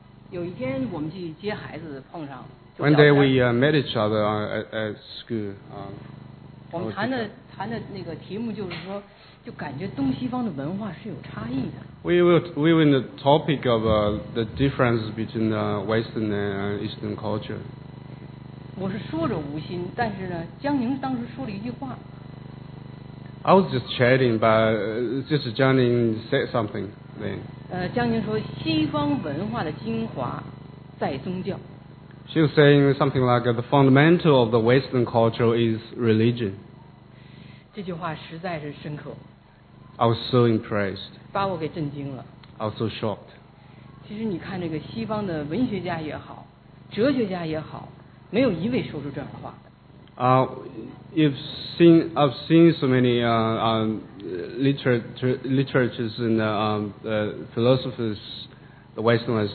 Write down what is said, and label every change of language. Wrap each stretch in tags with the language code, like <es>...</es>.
<zh>有一天我们去接孩子碰上。</zh> <en>One day we met each other at school.</en> <zh>我们谈的那个题目就是说，就感觉东西方的文化是有差异的。</zh> <en>We were in the topic of the difference between the Western and Eastern culture.</en> <zh>我是说着无心，但是呢，江宁当时说了一句话。</zh> <en>I was just chatting, but just江宁 said something then.</en> <zh>江宁说西方文化的精华在宗教。</zh> <en>She was saying something like the fundamental of the Western culture is religion.</en> <zh>这句话实在是深刻。</zh> <en>I was so impressed.</en> <zh>把我给震惊了。</zh> <en>I was so shocked.</en> <zh>其实你看这个西方的文学家也好，哲学家也好，没有一位说出这样的话。</zh> <en>I've seen so many literatures and philosophers, the Western ones.</en>